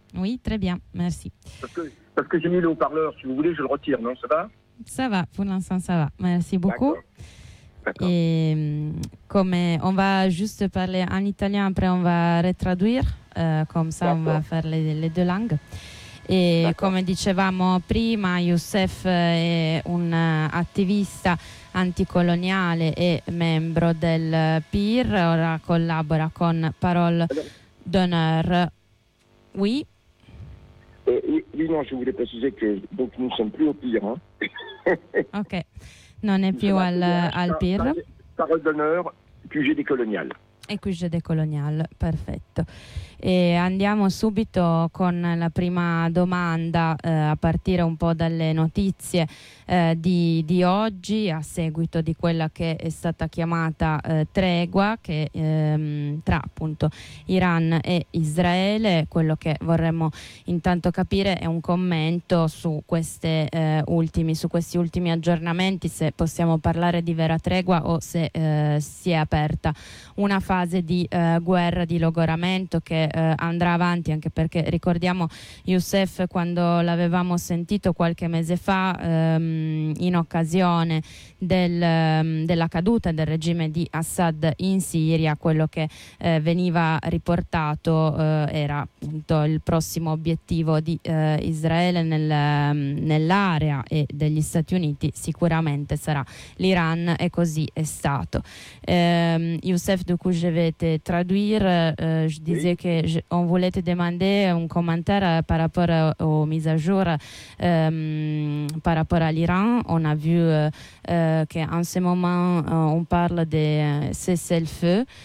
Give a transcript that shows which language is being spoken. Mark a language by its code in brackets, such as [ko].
[fr] Oui, très bien, merci. Parce que j'ai mis le haut-parleur, si vous voulez, je le retire, non? Ça va? Ça va, pour l'instant, ça va. Merci beaucoup. D'accord. D'accord. Et comme on va juste parler en italien, après on va retraduire, comme ça on va D'accord. faire les deux langues. Et D'accord. [it] come dicevamo prima, Youssef è un attivista anticoloniale e membro del PIR, ora collabora con Parole d'Honneur. [fr] Oui. Oui, non, je voulais préciser que donc nous ne sommes plus au pire. Hein. [it] Ok, non è [fr] Nous [it] più [fr] sommes au [it] al PIR. [fr] PDH, parole d'honneur, QG décolonial. Et QG décolonial, perfetto. [it] E andiamo subito con la prima domanda, a partire un po' dalle notizie, di oggi, a seguito di quella che è stata chiamata, tregua, che, tra appunto Iran e Israele. Quello che vorremmo intanto capire è un commento su queste, su questi ultimi aggiornamenti, se possiamo parlare di vera tregua o se, si è aperta una fase di, guerra, di logoramento che andrà avanti, anche perché ricordiamo Youssef, quando l'avevamo sentito qualche mese fa, in occasione della caduta del regime di Assad in Siria, quello che veniva riportato era appunto il prossimo obiettivo di Israele nell'area e degli Stati Uniti sicuramente sarà l'Iran, e così è stato. [fr] Youssef, du coup, je vais te traduire, je disais que je On voulait te demander un commentaire par rapport aux mises à jour par rapport à l'Iran. On a vu qu'en ce moment, on parle de cessez-le-feu.